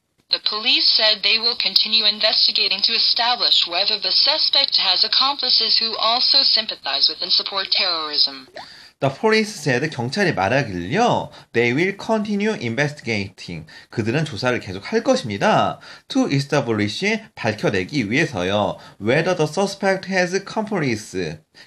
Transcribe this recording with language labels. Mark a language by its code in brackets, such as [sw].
[en] The police said they will continue investigating to establish whether the suspect has accomplices who also sympathize with and support terrorism. The police said, [ko] 경찰이 말하길요, [en] they will continue investigating. [ko] 그들은 조사를 계속할 것입니다. [en] To establish, [ko] 밝혀내기 위해서요. [en] Whether the suspect has accomplices.